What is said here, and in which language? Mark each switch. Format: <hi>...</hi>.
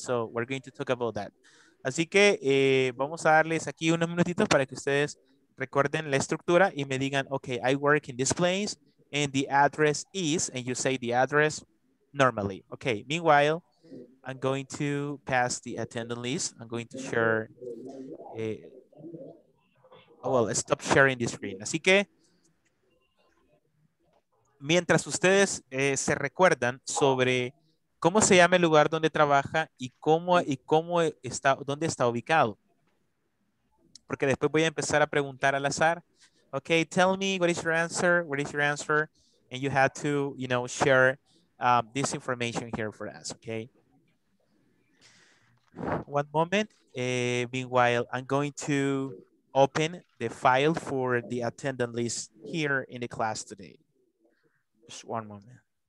<en>So we're going to talk about that.</en> <es>Así que vamos a darles aquí unos minutitos para que ustedes recuerden la estructura y me digan,</es> <en>okay, I work in this place and the address is, and you say the address normally. Okay, meanwhile, I'm going to pass the attendance list. I'm going to share, stop sharing the screen.</en> <es>Así que, mientras ustedes se recuerdan sobre cómo se llama el lugar donde trabaja y cómo está, dónde está ubicado. Porque después voy a empezar a preguntar al azar.</es> <en>Okay, tell me what is your answer, what is your answer? And you have to, you know, share this information here for us, okay? One moment, meanwhile, I'm going to open the file for the attendance list here in the class today. Just one moment.</en>